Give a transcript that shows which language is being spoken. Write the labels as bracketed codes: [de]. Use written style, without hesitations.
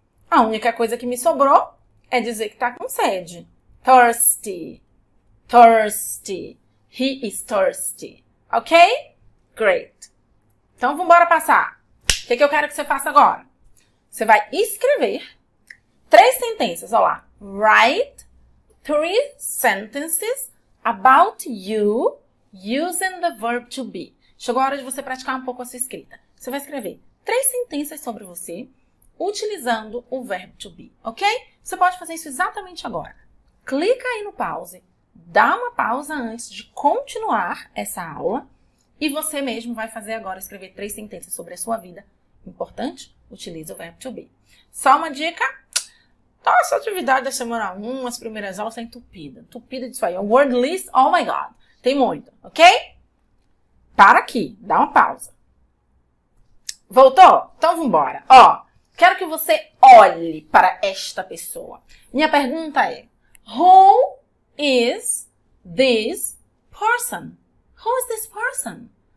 [pt] A única coisa que me sobrou é dizer que está com sede. [en] Thirsty. Thirsty. He is thirsty. Ok? Great. [pt] Então, vamos embora passar. O que que eu quero que você faça agora? Você vai escrever três sentenças. Olha lá. [en] Write three sentences about you using the verb to be. [pt] Chegou a hora de você praticar um pouco a sua escrita. Você vai escrever três sentenças sobre você utilizando o verbo to be, ok? Você pode fazer isso exatamente agora. Clica aí no pause, dá uma pausa antes de continuar essa aula e você mesmo vai fazer agora, escrever três sentenças sobre a sua vida. Importante? Utilize o verbo to be. Só uma dica. Nossa, atividade da semana 1, as primeiras aulas, tá entupida. Entupida disso aí. [en] A word list, oh my God. [pt] Tem muito, ok? Para aqui, dá uma pausa. Voltou? Então, vambora. Ó, quero que você olhe para esta pessoa. Minha pergunta é, [en] who is this person? Who is this person?